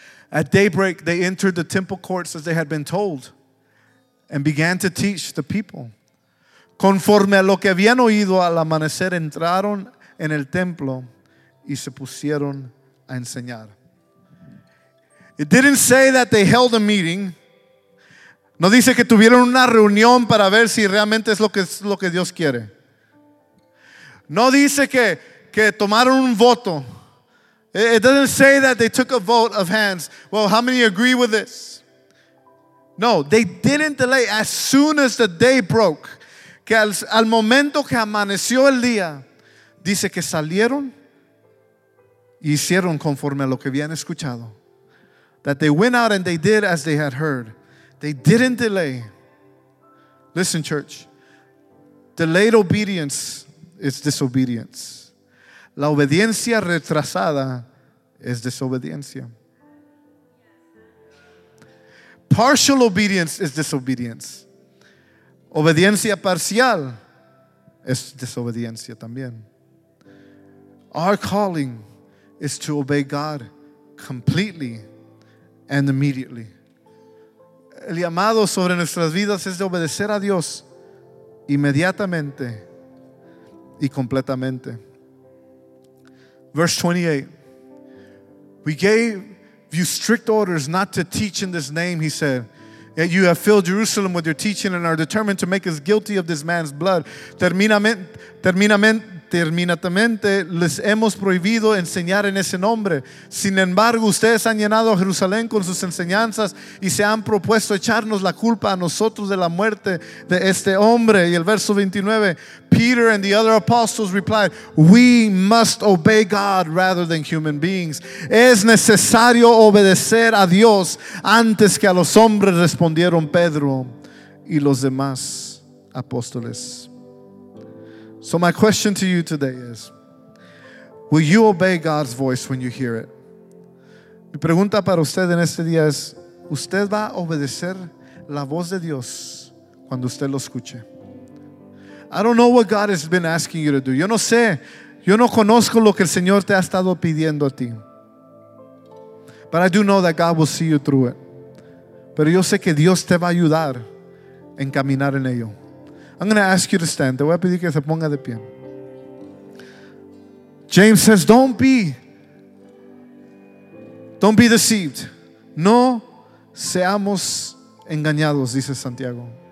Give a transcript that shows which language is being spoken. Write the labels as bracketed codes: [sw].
[en] At daybreak, they entered the temple courts as they had been told and began to teach the people. [es] Conforme a lo que habían oído al amanecer, entraron en el templo y se pusieron a enseñar. [en] It didn't say that they held a meeting. [es] No dice que tuvieron una reunión para ver si realmente es lo que Dios quiere. No dice que tomaron un voto. [en] It doesn't say that they took a vote of hands. Well, how many agree with this? No, they didn't delay. As soon as the day broke, [es] que al momento que amaneció el día, dice que salieron y hicieron conforme a lo que habían escuchado. [en] That they went out and they did as they had heard. They didn't delay. Listen, church. Delayed obedience is disobedience. [es] La obediencia retrasada es desobediencia. [en] Partial obedience is disobedience. [es] Obediencia parcial es desobediencia también. [en] Our calling is to obey God completely and immediately. [es] El llamado sobre nuestras vidas es de obedecer a Dios inmediatamente y completamente. [en] Verse 28. We gave you strict orders not to teach in this name, he said. Yet you have filled Jerusalem with your teaching and are determined to make us guilty of this man's blood. [es] Terminamente, les hemos prohibido enseñar en ese nombre. Sin embargo, ustedes han llenado Jerusalén con sus enseñanzas y se han propuesto echarnos la culpa a nosotros de la muerte de este hombre. Y el verso 29, [en] Peter and the other apostles replied, we must obey God rather than human beings. [es] Es necesario obedecer a Dios antes que a los hombres, respondieron Pedro y los demás apóstoles. [en] So my question to you today is, will you obey God's voice when you hear it? [es] Mi pregunta para usted en este día es, ¿usted va a obedecer la voz de Dios cuando usted lo escuche? [en] I don't know what God has been asking you to do. [es] Yo no sé, yo no conozco lo que el Señor te ha estado pidiendo a ti. [en] But I do know that God will see you through it. [es] Pero yo sé que Dios te va a ayudar en caminar en ello. [en] I'm going to ask you to stand. [es] Te voy a pedir que se ponga de pie. [en] James says, don't be deceived. [es] No seamos engañados, dice Santiago.